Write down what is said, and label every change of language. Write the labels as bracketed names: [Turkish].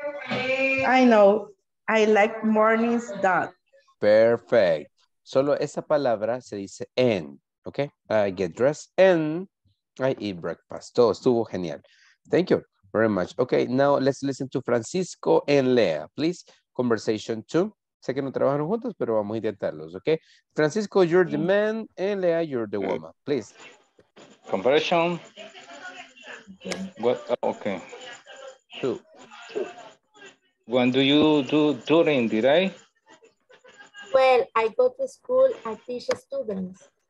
[English] I know, I like mornings done. [Spanish] Perfect. Solo esa palabra se dice en, okay? [English] I get dressed en. I eat breakfast. [Spanish] Todo estuvo genial. [English] Thank you very much. Okay, now let's listen to Francisco and Lea, please. Conversation two. [Spanish] Sé que no trabajaron juntos, pero vamos a intentarlos, okay? [English] Francisco, you're the man, and Lea, you're the woman, please. Conversation. What? Okay. Two. What do you do during the day? Well, I go to school. I teach students.